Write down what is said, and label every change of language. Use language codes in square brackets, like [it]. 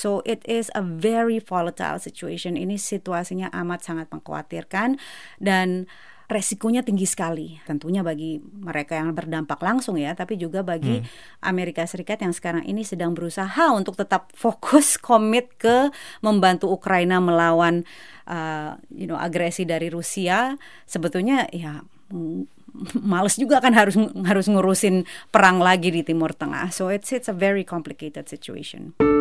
[en] So it is a very volatile situation. [id] Ini situasinya amat sangat mengkhawatirkan dan resikonya tinggi sekali, tentunya bagi mereka yang berdampak langsung ya, tapi juga bagi Amerika Serikat yang sekarang ini sedang berusaha untuk tetap fokus, komit ke membantu Ukraina melawan agresi dari Rusia. Sebetulnya ya males juga kan harus ngurusin perang lagi di Timur Tengah. [en] So it's a very complicated situation.